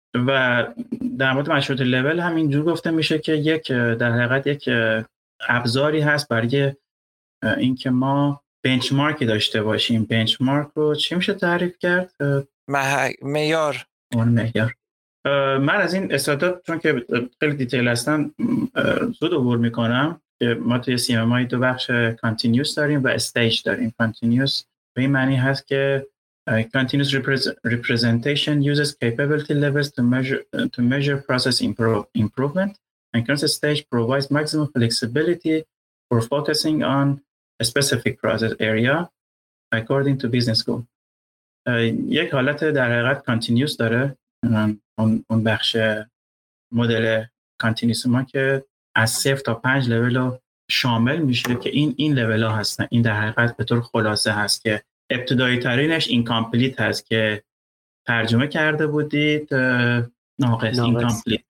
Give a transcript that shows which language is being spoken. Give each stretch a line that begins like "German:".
Persian: و در مورد مشروط لول هم اینجور گفته میشه که یک در حقیقت یک ابزاری هست برای این که ما بنچمارکی داشته باشیم. بنچمارک رو چی میشه تعریف کرد؟ معیار. اون معیار. من از این استعداد چون که خیلی دیتیل هستم زود عبور میکنم. ما توی CMMI دو بخش continuous داریم و stage داریم.
English: continuous
Persian: به این معنی هست که
English: continuous representation uses capability levels to measure process improvement and continuous stage provides maximum flexibility for focusing on a specific process area according to business goal.
Persian: یک حالت در حقیقت continuous داره اون بخش مدل continuous ما که از 0 تا 5 لول رو شامل میشه که این لول ها هستن. این در حقیقت به طور خلاصه هست که ابتدایی ترینش اینکامپلیت هست که ترجمه کرده بودید ناقص اینکامپلیت.